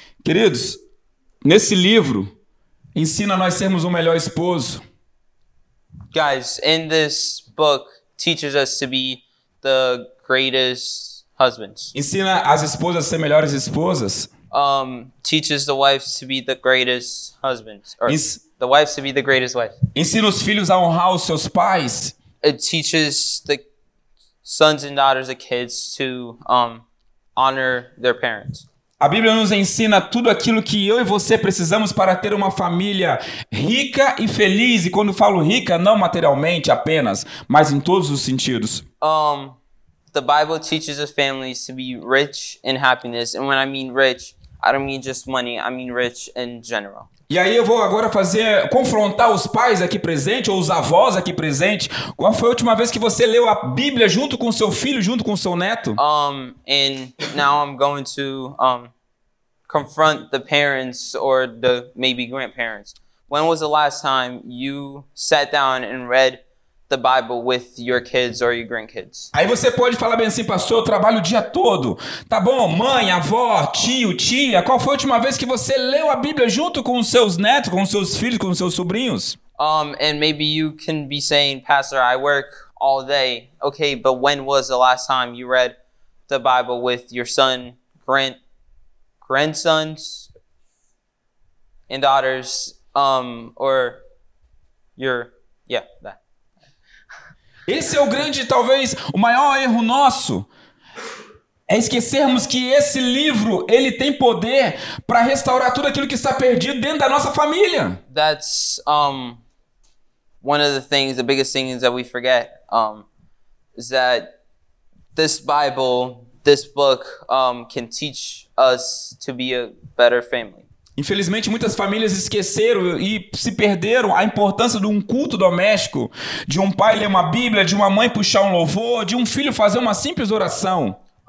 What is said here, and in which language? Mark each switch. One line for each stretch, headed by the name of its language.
Portuguese: Queridos, nesse livro ensina nós sermos um melhor esposo.
English: Guys, in this book teaches us to be the greatest husbands.
Portuguese: Ensina as esposas a ser melhores esposas.
English: Teaches the wives to be the greatest husbands. The wives to be the greatest wife.
Portuguese: Ensina os filhos a honrar os seus pais.
English: It teaches the sons and daughters, the kids, to honor their parents.
Portuguese: A Bíblia nos ensina tudo aquilo que eu e você precisamos para ter uma família rica e feliz. E quando falo rica, não materialmente apenas, mas em todos os sentidos.
English: The Bible teaches us families to be rich in happiness. And when I mean rich, I don't mean just money, I mean rich in general.
Portuguese: E aí eu vou agora confrontar os pais aqui presentes, ou os avós aqui presentes. Qual foi a última vez que você leu a Bíblia junto com seu filho, junto com seu neto?
English: And now I'm going to confront the parents or the maybe grandparents. When was the last time you sat down and read the Bible with your kids or your grandkids?
Portuguese: Aí você pode falar bem assim, pastor, eu trabalho o dia todo. Tá bom, mãe, avó, tio, tia, qual foi a última vez que você leu a Bíblia junto com os seus netos, com os seus filhos, com os seus sobrinhos?
English: And maybe you can be saying, pastor, I work all day. Okay, but when was the last time you read the Bible with your son, grandsons, and daughters, or your, yeah, that.
Portuguese: Esse é o grande, talvez, o maior erro nosso. É esquecermos que esse livro, ele tem poder para restaurar tudo aquilo que está perdido dentro da nossa família.
English: That's one of the things, the biggest things that we forget, is that this Bible, this book, can teach us to be a better family.
Portuguese: Infelizmente, muitas famílias esqueceram e se perderam a importância de um culto doméstico, de um pai ler uma Bíblia, de uma mãe puxar um louvor, de um filho fazer uma simples oração.